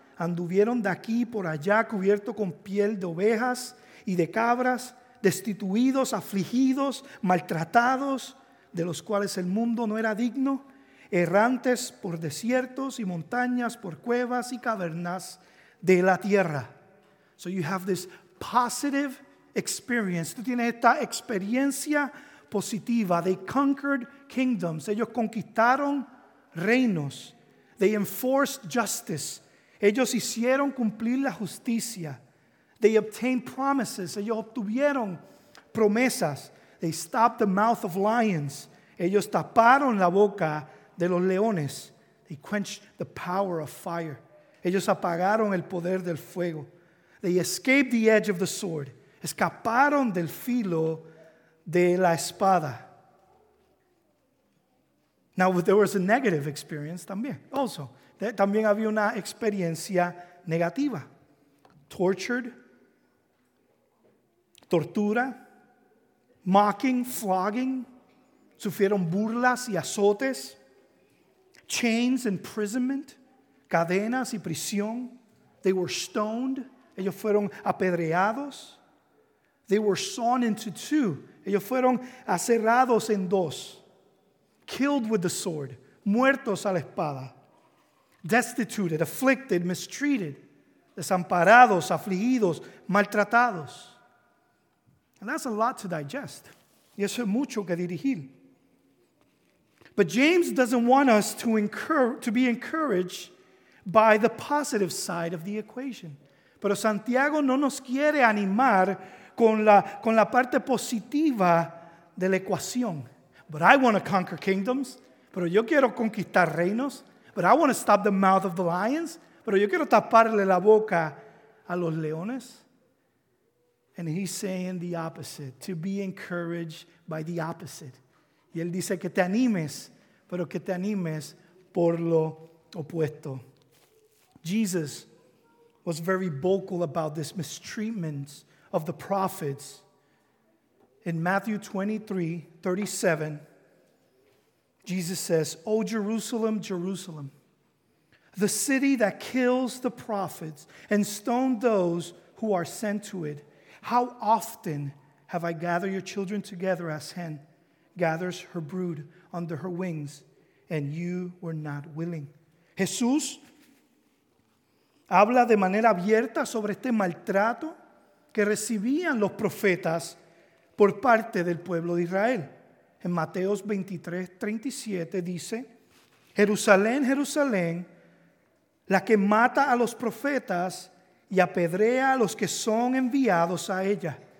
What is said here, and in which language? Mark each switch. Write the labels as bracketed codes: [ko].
[es] Anduvieron de aquí por allá cubierto con piel de ovejas y de cabras, destituidos, afligidos, maltratados, de los cuales el mundo no era digno, errantes por desiertos y montañas, por cuevas y cavernas de la tierra. [en] So you have this positive experience. [es] Tú tienes esta experiencia positiva. [en] They conquered kingdoms. [es] Ellos conquistaron reinos. [en] They enforced justice. [es] Ellos hicieron cumplir la justicia. [en] They obtained promises. [es] Ellos obtuvieron promesas. [en] They stopped the mouth of lions. [es] Ellos taparon la boca de los leones. [en] They quenched the power of fire. [es] Ellos apagaron el poder del fuego. [en] They escaped the edge of the sword. [es] Escaparon del filo de la espada. [en] Now, there was a negative experience también. Also, [es] también había una experiencia negativa. [en] Tortured. [es] Tortura. [en] Mocking, flogging. [es] Sufrieron burlas y azotes. [en] Chains, imprisonment, [es] cadenas y prisión. [en] They were stoned. [es] Ellos fueron apedreados. [en] They were sawn into two. [es] Ellos fueron aserrados en dos. [en] Killed with the sword. [es] Muertos a la espada. [en] Destituted, afflicted, mistreated. [es] Desamparados, afligidos, maltratados. [en] And that's a lot to digest. [es] Y eso es mucho que digerir. [en] But James doesn't want us to be encouraged by the positive side of the equation. [es] Pero Santiago no nos quiere animar con la parte positiva de la ecuación. [en] But I want to conquer kingdoms. [es] Pero yo quiero conquistar reinos. [en] But I want to stop the mouth of the lions. [es] Pero yo quiero taparle la boca a los leones. [en] And he's saying the opposite. To be encouraged by the opposite. [es] Y él dice que te animes, pero que te animes por lo opuesto. [en] Jesus was very vocal about this mistreatment of the prophets. In Matthew 23:37, Jesus says, "O Jerusalem, Jerusalem, the city that kills the prophets and stones those who are sent to it, how often have I gathered your children together as hen gathers her brood under her wings, and you were not willing." [es] Jesús habla de manera abierta sobre este maltrato que recibían los profetas por parte del pueblo de Israel. En Mateo 23:37 dice, "Jerusalén, Jerusalén, la que mata a los profetas y apedrea a los que son enviados a ella.